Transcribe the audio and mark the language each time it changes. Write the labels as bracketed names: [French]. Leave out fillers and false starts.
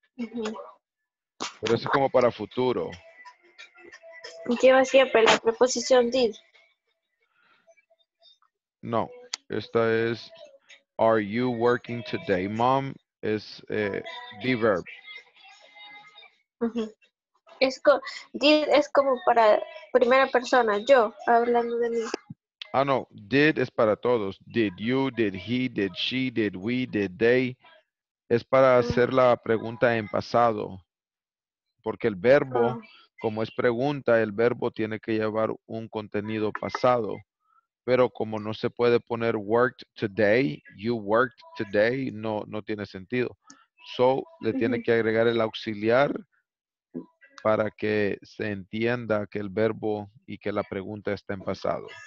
[Spanish] Mm-hmm. Pero eso es como para futuro. Lleva siempre la preposición did. No, esta es, [English] are you working today, mom? [Spanish] Es be verb. Did es como para primera persona, yo, hablando de mí. Ah, no. Did es para todos. [English] Did you, did he, did she, did we, did they. [Spanish] Es para hacer la pregunta en pasado. Porque el verbo, como es pregunta, el verbo tiene que llevar un contenido pasado. Pero como no se puede poner [English] worked today, you worked today, [Spanish] no tiene sentido. So, le tiene que agregar el auxiliar para que se entienda que el verbo y que la pregunta está en pasado.